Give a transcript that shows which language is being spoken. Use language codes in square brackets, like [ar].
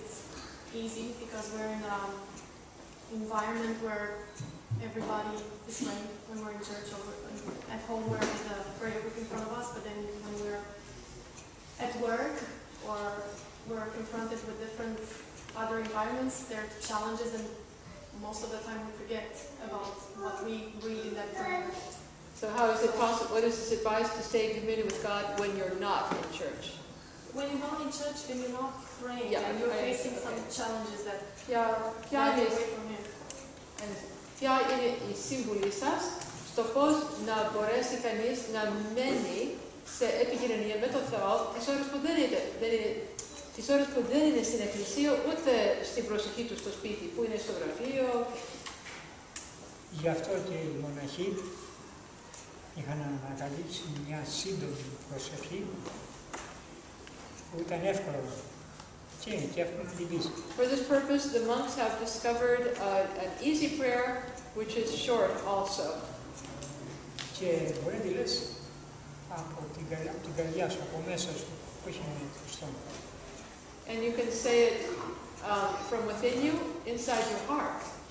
[en] It's easy because we're in an environment where everybody is praying when we're in church or at home where there's a prayer book in front of us, but then when we're at work or we're confronted with different other environments, there are challenges and most of the time we forget about what we read in that prayer. So how is it possible, what is this advice to stay in communion with God when you're not in church? When you're not in church and you're not praying, yeah, and you're facing some challenges that are away from Him. [el] Ποια είναι η σύμβουλή σας στο πώς να μπορέσει κανείς να μένει σε επικοινωνία με τον Θεό τις ώρες που δεν είναι. Τις ώρες που δεν είναι στην εκκλησία, ούτε στην προσοχή του στο σπίτι, που είναι στο γραφείο. Γι' αυτό και οι μοναχοί είχαν ανακαλύψει μια σύντομη προσευχή, που ήταν εύκολο και [en] For this purpose, the monks have discovered an easy prayer, which is short also. And you can say it from within you, inside your heart.